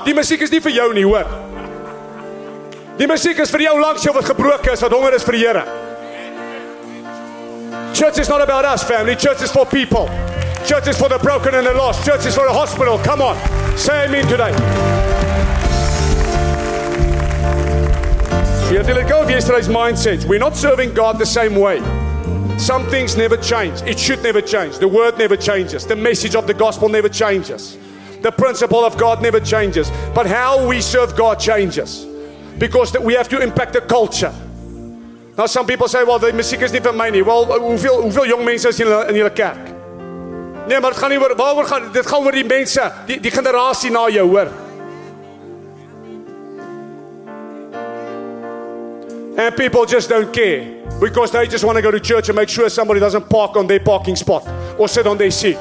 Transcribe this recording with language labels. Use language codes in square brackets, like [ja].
[af] Die musiek is nie vir jou nie, hoor. Die musiek is vir jou langs jou wat gebroken is, wat honger is vir die Here. [en] Church is not about us, family. Church is for people. Church is for the broken and the lost. Church is for a hospital. Come on. Say amen today. So you have to let go of yesterday's mindset. We're not serving God the same way. Some things never change. It should never change. The word never changes. The message of the gospel never changes. The principle of God never changes. But how we serve God changes. because we have to impact the culture. Now some people say, well, the [af] musiek is nie vir my nie. Well, hoeveel jong mense is in julle kerk? Nee, maar dit gaan nie oor waaroor gaan dit gaan oor die mense, die generasie na jou, hoor. [en] And people just don't care because they just want to go to church and make sure somebody doesn't park on their parking spot or sit on their seat.